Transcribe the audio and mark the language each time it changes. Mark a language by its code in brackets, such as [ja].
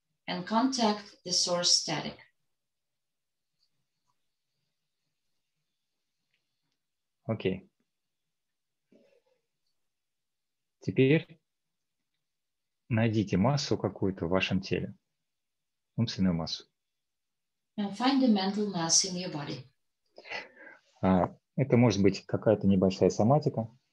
[en] And contact the source static. [ru] Окей. Теперь найдите массу какую-то в вашем теле. Умственную массу. [en] And find the mental mass in your body. [ru] Это может быть какая-то небольшая соматика.